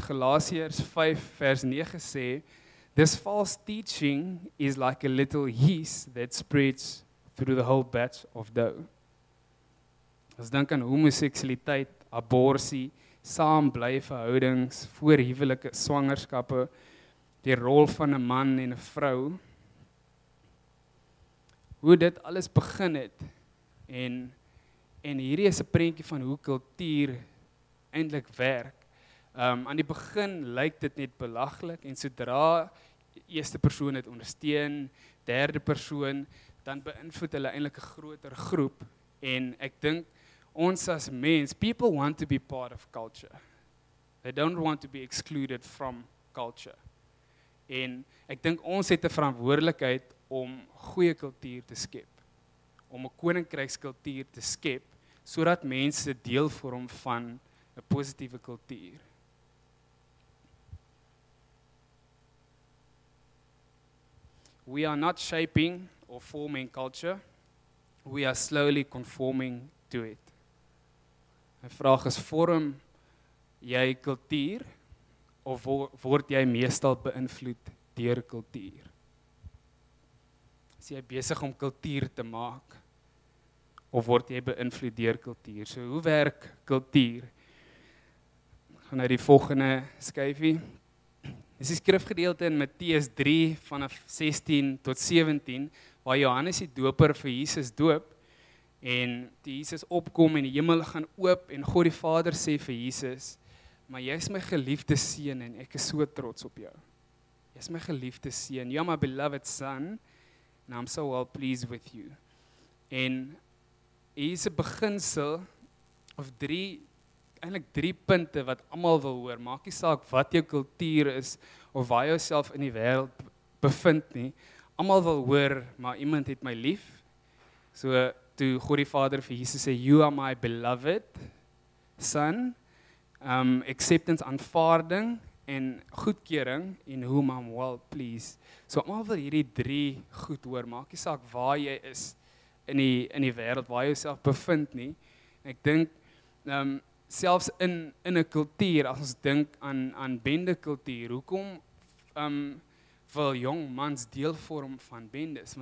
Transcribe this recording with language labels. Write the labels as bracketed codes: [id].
[af] Galasiërs 5 vers 9 sê, [en] this false teaching is like a little yeast that spreads through the whole batch of dough. [af] As dink aan homoseksualiteit, aborsie, saambly verhoudings, voorhuwelike swangerskappe, die rol van 'n man en 'n vrou, hoe dit alles begin het en hierdie is 'n prentjie van hoe kultuur eintlik werk. Aan die begin lyk dit net belaglik en sodra eerste persoon het ondersteun, derde persoon, dan beïnvloed hulle eintlik 'n groter groep. En ek dink ons as mens, [en] people want to be part of culture. They don't want to be excluded from culture. [af] En ek dink ons het 'n verantwoordelikheid om goeie kultuur te skep, om 'n koninkrykskultuur te skep, sodat mense deel vorm van 'n positiewe kultuur. [en] We are not shaping or forming culture. We are slowly conforming to it. [af] My vraag is, vorm jy kultuur of word jy meestal beïnvloed deur kultuur? Is jy besig om kultuur te maak of word jy beïnvloed deur kultuur? So hoe werk kultuur? Gaan uit die volgende skyfie. Dis die skrifgedeelte in Matteus 3 vanaf 16 tot 17 waar Johannes die Doper vir Jesus doop en die Jesus opkom en die hemel gaan oop en God die Vader sê vir Jesus: "Maar jy is my geliefde seun en ek is so trots op jou. Jy is my geliefde seun. [en] You are my beloved son and I'm so well pleased with you." [af] En hier is 'n beginsel of drie punte wat almal wil hoor. Maak nie saak wat jou kultuur is of waar jy jouself in die wêreld bevind nie. Almal wil hoor, maar iemand het my lief. So toe God die Vader vir Jesus sê, [en] "You are my beloved son." Acceptance, [af] aanvaarding en goedkeuring en [en] whom I'm well pleased. [af] So almal wil hierdie drie goed hoor. Maak nie saak waar jy is in die wêreld waar jy jouself bevind nie. Ek dink selfs in 'n kultuur, as ons dink aan bende kultuur, hoekom wil jong mans deel vorm van bendes?